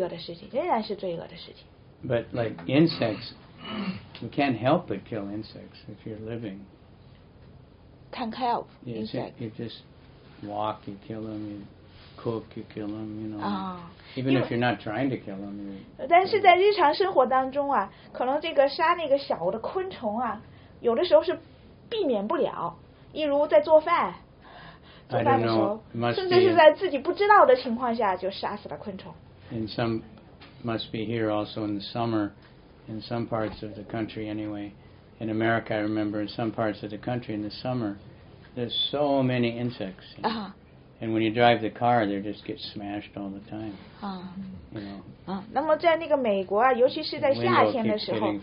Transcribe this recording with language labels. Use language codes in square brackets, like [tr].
[zh] 但是就是说，这个杀牛啊，比杀山羊更罪恶。但是杀羊还是罪恶的事情，仍然是罪恶的事情。 [en] But like insects, you can't help but kill insects if you're living. Can't help insects. You just walk, you kill them. You cook, you kill them. You know. Even if you're not trying to kill them. [zh] 但是在日常生活当中啊，可能这个杀那个小的昆虫啊，有的时候是避免不了。例如在做饭，甚至是在自己不知道的情况下就杀死了昆虫。 [en] In some, must be here also in the summer, in some parts of the country anyway. In America, I remember, in some parts of the country in the summer, there's so many insects. And when you drive the car, they just get smashed all the time. You know. [zh] 那么在那个美国啊，尤其是在夏天的时候。